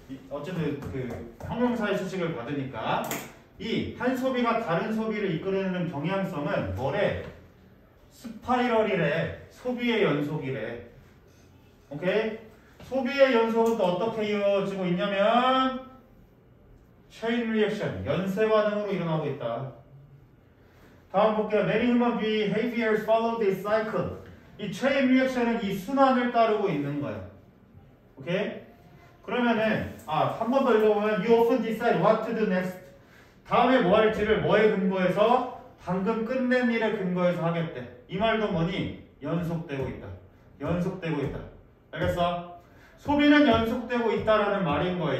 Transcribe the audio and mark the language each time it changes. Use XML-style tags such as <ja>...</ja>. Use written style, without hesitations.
<ko>어쨌든 그 형용사의 수칙을 받으니까 이 한 소비가 다른 소비를 이끌어내는 경향성은 뭐래? 스파이럴이래. 소비의 연속이래. 오케이? 소비의 연속은 또 어떻게 이어지고 있냐면 체인 리액션, 연쇄 반응으로 일어나고 있다. 다음 볼게요.</ko> <en>Many human behaviors follow this cycle.</en> <ko>이 체인 리액션은 이 순환을 따르고 있는 거야. 오케이? 그러면은 한 번 더 읽어보면</ko> <en>You often decide what to do next.</en> <ko>다음에 뭐 할지를 뭐에 근거해서 방금 끝낸 일에 근거해서 하겠대. 이 말도 뭐니? 연속되고 있다. 연속되고 있다. 알겠어? 소비는 연속되고 있다라는 말인 거야.</ko>